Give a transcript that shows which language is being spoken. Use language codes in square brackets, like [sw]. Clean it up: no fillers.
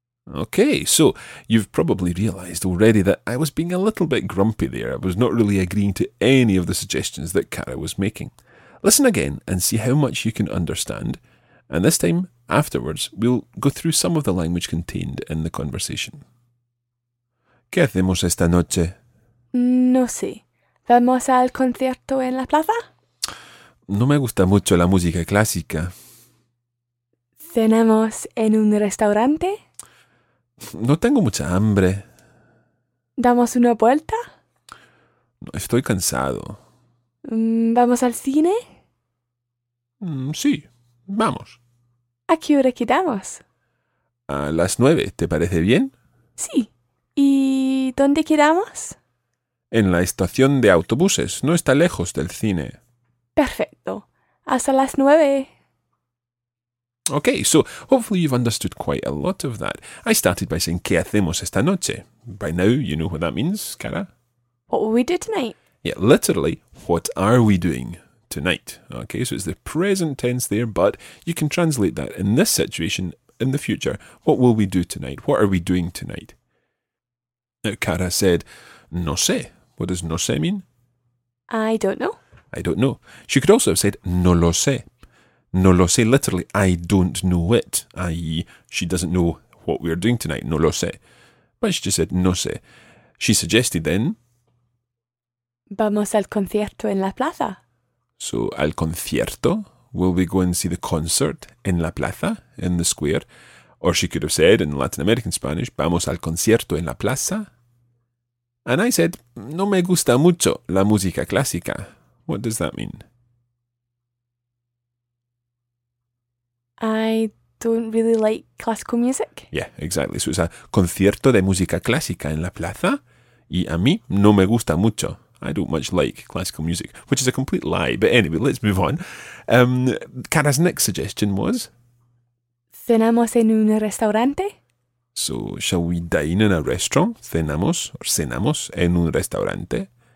[en] Okay, so you've probably realized already that I was being a little bit grumpy there. I was not really agreeing to any of the suggestions that Cara was making. Listen again and see how much you can understand. And this time, afterwards, we'll go through some of the language contained in the conversation. [es] ¿Qué hacemos esta noche? No sé. ¿Vamos al concierto en la plaza? No me gusta mucho la música clásica. ¿Cenamos en un restaurante? No tengo mucha hambre. ¿Damos una vuelta? No, estoy cansado. ¿Vamos al cine? Sí, vamos. ¿A qué hora quedamos? A las 9, ¿te parece bien? Sí. ¿Y dónde quedamos? En la estación de autobuses, no está lejos del cine. Perfecto. Hasta las 9. [en] Okay, so hopefully you've understood quite a lot of that. I started by saying, [es] ¿qué hacemos esta noche? [en] By now, you know what that means, Cara. What will we do tonight? Yeah, literally, what are we doing tonight? Okay, so it's the present tense there, but you can translate that in this situation, in the future. What will we do tonight? What are we doing tonight? Now, Cara said, [es] no sé. [en] What does [es] no sé [en] mean? I don't know. I don't know. She could also have said, [es] no lo sé. No lo sé, [en] literally, I don't know it, i.e. she doesn't know what we're doing tonight, [es] no lo sé. [en] But she just said, [es] no sé. [en] She suggested then, [es] vamos al concierto en la plaza. [en] So, [es] al concierto, [en] will we go and see the concert [es] en la plaza, [en] in the square? Or she could have said, in Latin American Spanish, [es] vamos al concierto en la plaza. [en] And I said, [es] no me gusta mucho la música clásica. [en] What does that mean? I don't really like classical music. Yeah, exactly. So it's a [es] concierto de música clásica en la plaza. Y a mí no me gusta mucho. [en] I don't much like classical music, which is a complete lie. But anyway, let's move on. Cara's next suggestion was? [es] Cenamos en un restaurante. [en] So shall we dine in a restaurant? [es] Cenamos or cenamos en un restaurante.